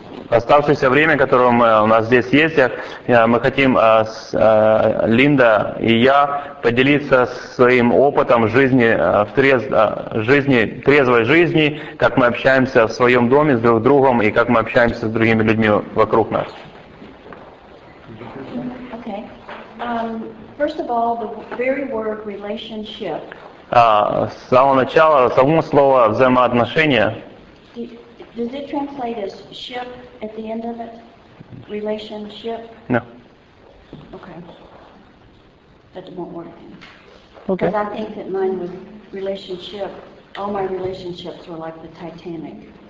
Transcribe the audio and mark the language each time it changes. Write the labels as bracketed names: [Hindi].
[Russian] Оставшееся время, которое у нас здесь есть, мы хотим с Линда и я поделиться своим опытом жизни в трезвой жизни, как мы общаемся в своем доме с друг другом и как мы общаемся с другими людьми вокруг нас. [English] Okay. First of all, the very word relationship. [Russian] С самого начала, само слово взаимоотношения. [English] Does it translate as ship at the end of it? Relationship? No. Okay. That won't work. Okay. Because I think that mine was relationship. All my relationships were like the Titanic.